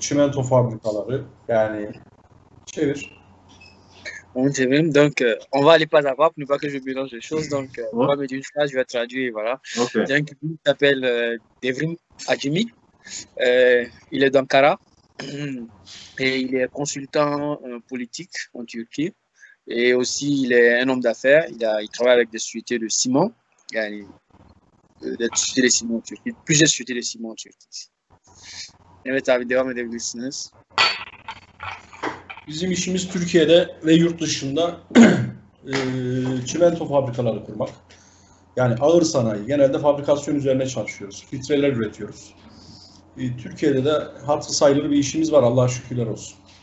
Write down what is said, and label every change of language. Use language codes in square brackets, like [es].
[tr] Çimento fabrikaları, yani çevir. Onu çevirin. [fr] Donc, on va aller pas à pas, pas que je mélange les choses. Donc, on va me dire une phrase, je vais traduire. Voilà. [en] Okay. [fr] Donc, il s'appelle Devrim Acemi. Il est d'Ankara. Et il est consultant politique en Turquie. Et aussi, il est un homme d'affaires. Il travaille avec des sociétés de ciment. Il y a sociétés de ciment en Turquie. Plusieurs sociétés de ciment en Turquie. [tr] Evet abi devam edebilirsiniz. Bizim işimiz Türkiye'de ve yurt dışında çimento fabrikaları kurmak. Yani ağır sanayi. Genelde fabrikasyon üzerine çalışıyoruz. Filtreler üretiyoruz. Türkiye'de de hatırı sayılır bir işimiz var. Allah'a şükürler olsun.